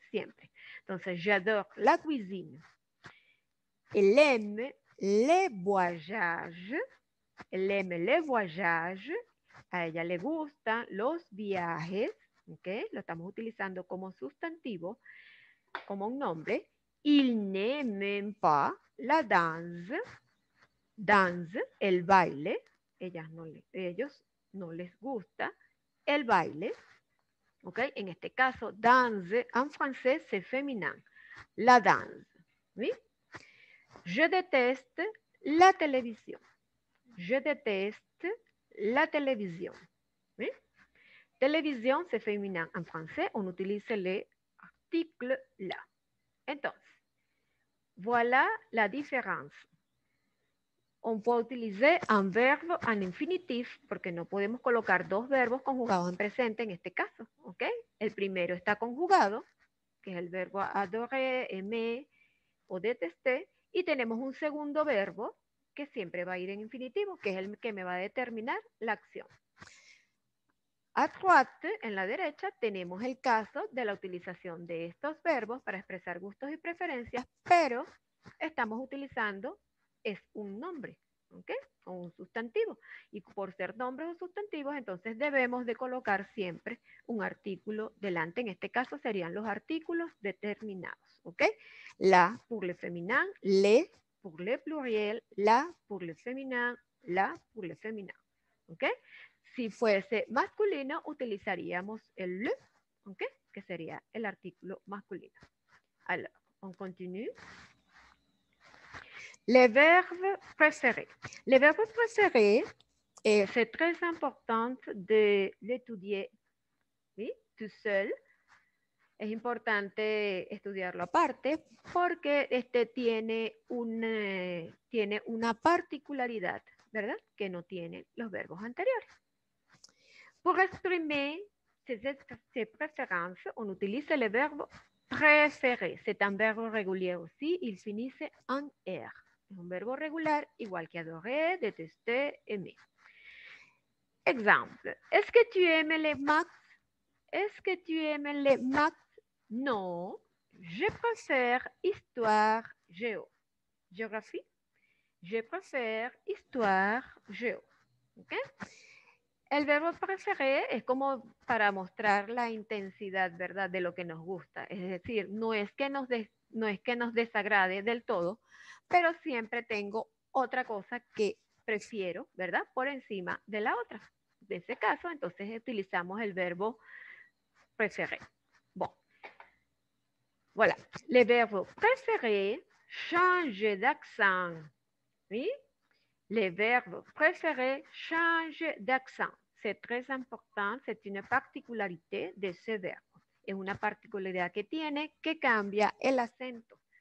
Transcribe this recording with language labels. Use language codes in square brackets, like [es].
[es] Siempre. Entonces, [fr] j'adore la cuisine. Él aime les voyages. Él aime les voyages. [es] A ella le gustan los viajes, ¿okay? Lo estamos utilizando como sustantivo, como un nombre. [fr] Il n'aime pas la danse, danse, [es] el baile. Ellos no les gusta el baile. ¿Okay? En este caso, danse en francés [fr] c'est féminin. La danse. [es] ¿Sí? [fr] Je déteste la télévision. Je déteste la télévision. ¿Sí? Télévision c'est féminin. [es] En francés, [fr] on utilise le article la. [es] Entonces, [fr] voilà la différence. On peut utiliser un verbe en infinitif [es] porque no podemos colocar dos verbos conjugados en presente en este caso, ¿ok? El primero está conjugado, que es el verbo adorer, aimer o détester, y tenemos un segundo verbo que siempre va a ir en infinitivo, que es el que me va a determinar la acción. [fr] A droite, [es] en la derecha, tenemos el caso de la utilización de estos verbos para expresar gustos y preferencias, pero estamos utilizando es un nombre, ¿ok? O un sustantivo. Y por ser nombres o sustantivos, entonces debemos de colocar siempre un artículo delante. En este caso serían los artículos determinados, ¿ok? [fr] La, pour le féminin, le, pour le pluriel, la, pour le féminin, la, pour le féminin, ¿ok? [es] Si fuese masculino, utilizaríamos el le, ¿ok? Que sería el artículo masculino. [fr] Alors, on continue. Les verbes préférés. Les verbes préférés, c'est très important de l'étudier, ¿sí? Tout seul. [es] Es importante estudiarlo aparte porque tiene una particularidad, ¿verdad? Que no tienen los verbos anteriores. [fr] Pour exprimer ses préférences, on utilise le verbo préférer. C'est un verbo régulier aussi, il finit en er. [es] Es un verbo regular igual que adorer, détester, aimer. [fr] Exemple. Est-ce que tu aimes les maths? Est-ce que tu aimes les maths? Non, je préfère histoire géo. Géographie. Je préfère histoire géo. ¿Okay? [es] El verbo préféré es como para mostrar la intensidad, ¿verdad?, de lo que nos gusta. Es decir, no es que nos desagrade del todo, pero siempre tengo otra cosa que prefiero, ¿verdad?, por encima de la otra. En ese caso, entonces utilizamos el verbo préféré. [fr] Voilà. Le verbo préféré change d'accent. Oui? Le verbo préféré change d'accent. C'est très important. C'est une particularité de ce verbo. [es] Es una particularidad que tiene que cambia el acento.